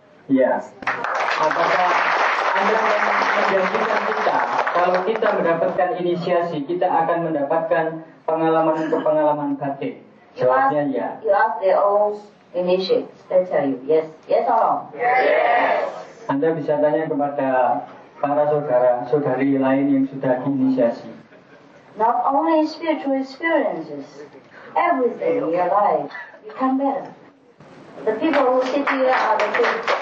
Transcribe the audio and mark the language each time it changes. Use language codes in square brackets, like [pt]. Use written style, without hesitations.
[id] Yes. Apakah Anda menjanjikan kita, kalau kita mendapatkan inisiasi, kita akan mendapatkan pengalaman untuk pengalaman batin? Jawabnya ya. [en] You ask the old initiates, they tell you, yes, yes or no? Yes! [id] Anda bisa tanya kepada para saudara-saudari lain yang sudah diinisiasi. [en] Not only spiritual experiences, everything in your life become better. The people who sit here are the good.